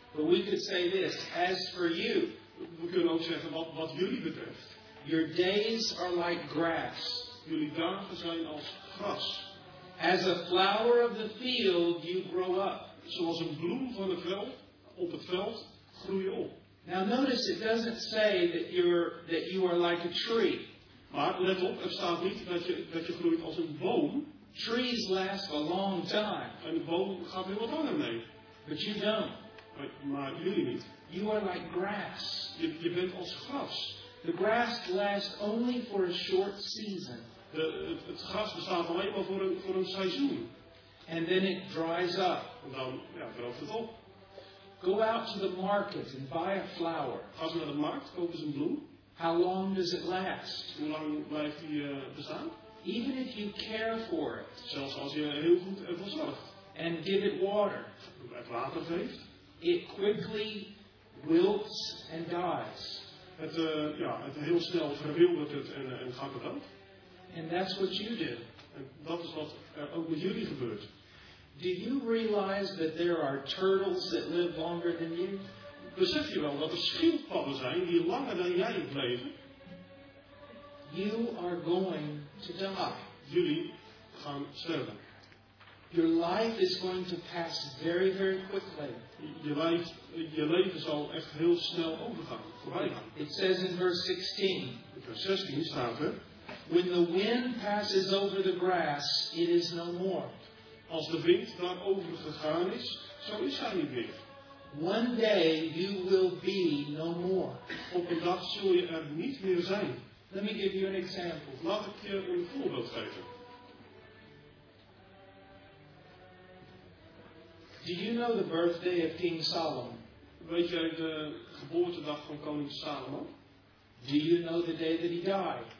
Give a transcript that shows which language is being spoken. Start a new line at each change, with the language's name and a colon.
English: But we could say this, as for you.
Dutch: We kunnen ook zeggen, wat jullie betreft.
English: Your days are like grass.
Dutch: Jullie dagen zijn als gras.
English: As a flower of the field, you grow up.
Dutch: Zoals een bloem van het veld, op het veld, groei je op.
English: Now notice, it doesn't say that you are like a tree.
Dutch: Maar let op, er staat niet dat je groeit als een boom.
English: Trees last a long time.
Dutch: En de boom gaat heel wat langer mee.
English: But you don't.
Dutch: Maar jullie niet.
English: You are like grass.
Dutch: Je bent als gras.
English: The grass lasts only for a short season.
Dutch: Het gras bestaat alleen maar voor een seizoen.
English: And then it dries up.
Dutch: En dan droogt het op.
English: Go out to the market and buy a flower.
Dutch: Ga naar de markt, koop eens een bloem.
English: How long does it last?
Dutch: Hoe lang blijft die bestaan?
English: Even if you care for it.
Dutch: Zelfs als je heel goed ervoor zorgt.
English: And give it water.
Dutch: Het water geeft.
English: It quickly wilts and dies.
Dutch: Het heel snel verwildert het en gaat het ook.
English: And that's what you do.
Dutch: En dat is wat er ook met jullie gebeurt.
English: Do you realize that there are turtles that live longer than you?
Dutch: Besef je wel dat er schildpadden zijn die langer dan jij het leven?
English: You are going to die.
Dutch: Jullie gaan sterven.
English: Your life is going to pass very, very quickly.
Dutch: Je leven zal echt heel snel overgaan, voorbij gaan.
English: It says in verse 16.
Dutch: Vers 16 staat er.
English: When the wind passes over the grass, it is no more.
Dutch: Als de wind daarover gegaan is, zo is hij niet meer.
English: One day you will be no more.
Dutch: Op een dag zul je er niet meer zijn.
English: Let me give you an example.
Dutch: Laat ik je een voorbeeld geven.
English: Do you know the birthday of King Solomon?
Dutch: Weet jij de geboortedag van koning Salomon?
English: Do you know the day that he died?